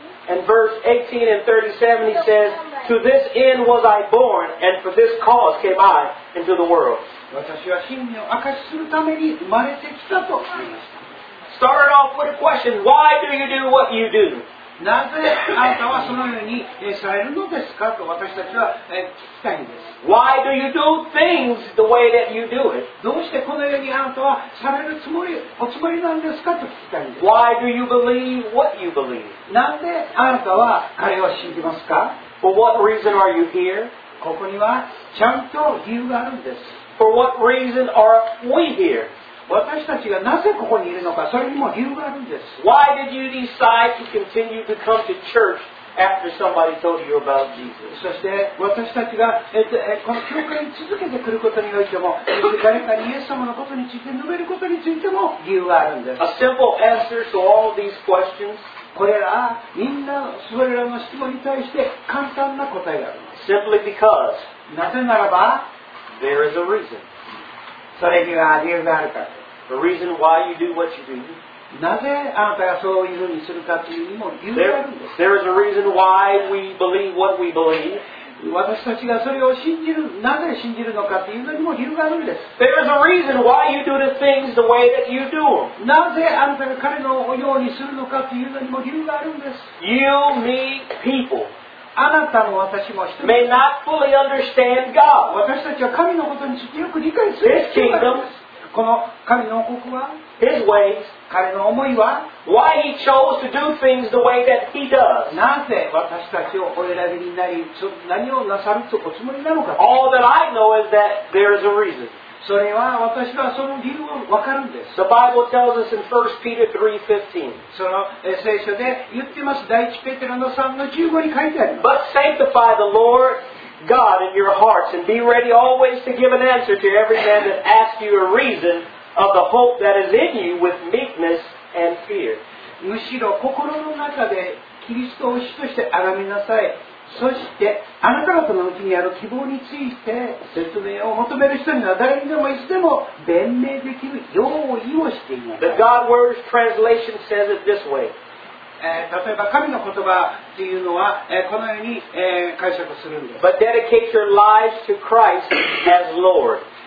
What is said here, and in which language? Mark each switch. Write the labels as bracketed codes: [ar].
[en] And verse 18 and 37, he says, To this end was I born, and for this cause came I into the world. Started off with a question, Why do you do what you do? [ja] なぜあなたはそのようにされるのですかと私たちは聞きたいんです。 [en] Why do you do things the way that you do it? [ja] どうしてこのようにあなたはされるつもり、おつもりなんですかと聞きたいんです。 [en] Why do you believe what you believe? [ja] なんであなたは彼を信じますか [en] For what reason are you here? [ja] ここにはちゃんと理由があるんです。 [en] For what reason are we here? [ja] 私たちがなぜここにいるのか、それにも理由があるんです。 [en] Why did you decide to continue to come to church after somebody told you about Jesus? [ja] そして私たちが、この教会に続けてくることにおいても、誰かにイエス様のことについて述べることについても理由があるんです。 [en] A simple answer to all of these questions. [ja] これらみんなそれらの質問に対して簡単な答えがある。 [en] Simply because [ja] なぜならば [en] there is a reason. [ja] それには理由があるから。 [en] The reason why you do what you do. [ja] なぜあなたがそういうふうにするかというにも理由があるんです。 [en] There is a reason why we believe what we believe. [ja] 私たちがそれを信じる、なぜ信じるのかっていうのにも理由があるんです。 [en] There is a reason why you do the things the way that you do them. [ja] なぜあなたが彼のようにするのかっていうのにも理由があるんです。 [en] You, me, people. [ja] あなたも私も人々。 [en] May not fully understand God. [ja] 私たちは神のことについてよく理解する。 [en] His kingdom. [ja] この神の王国は。 [en] His ways. [ja] 彼の思いは [en] Why he chose to do things the way that he does. [ja] なぜ私たちをお選びになり何をなさるとおつもりなのか。 [en] All that I know is that there is a reason. [ja] それは私はその理由を分かるんです。 [en] The Bible tells us in 1 Peter 3:15. [ja] その聖書で言ってます。第一ペテロの3の15に書いてあります。 [en] But sanctify the Lord God in your hearts and be ready always to give an answer to every man that asks you a reason. Of the hope that is in you with meekness and fear. [ja] むしろ心の中でキリストを主として崇めなさい。そしてあなた方のうちにある希望について説明を求める人には誰にでもいつでも弁明できる用意をしていなさい。 [en] The God Word translation says it this way. [ja] 例えば神の言葉というのは、このように、解釈するんです。 [en] But dedicate your lives to Christ as Lord.